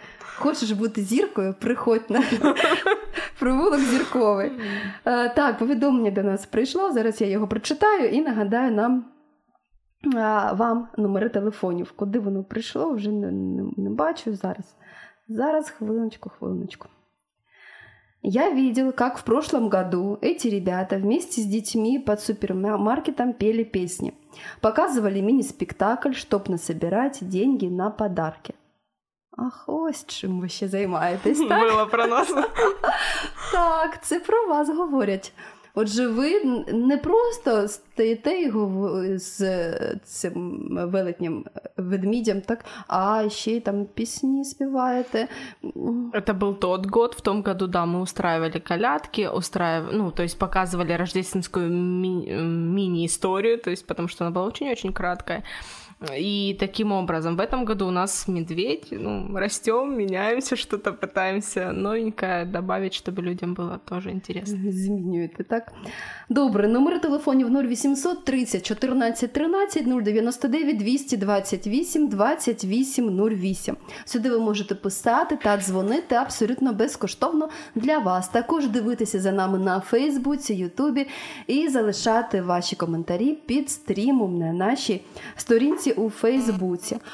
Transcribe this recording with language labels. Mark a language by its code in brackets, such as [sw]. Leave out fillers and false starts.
[uk] Хочеш бути зіркою, приходь на провулок зірковий. Так, повідомлення до нас прийшло, зараз я його прочитаю і нагадаю нам, вам номери телефонів. Куди воно прийшло, вже не бачу зараз. Зараз, хвилиночку. [ru] Я видел, как в прошлом году эти ребята вместе с детьми под супермаркетом пели песни. Показывали мини-спектакль, чтоб насобирать деньги на подарки. [uk] Ах, ось чим ви ще займаєтесь, так? [ru] Было про нас. [uk] Так, це про вас говорять. Отже, ви не просто стоїте з цим велетнім ведмідям, так, а ще й там пісні співаєте. Це був той рік, в тому році, [ru] да, ми устраивали колядки, ну, то есть показывали рождественскую мини-историю, то есть потому что она была очень-очень краткая. И таким образом, в этом году у нас медведь, ну, растем, меняемся, что-то пытаемся новенькое добавить, чтобы людям было тоже интересно. [uk] Змінюєте, так? Добре, номери телефонів 0800 30 14 13 099 228 28 08. Сюди ви можете писати та дзвонити абсолютно безкоштовно для вас. Також дивитися за нами на Фейсбуці, Ютубі і залишати ваші коментарі під стрімом на нашій сторінці у Фейсбуці.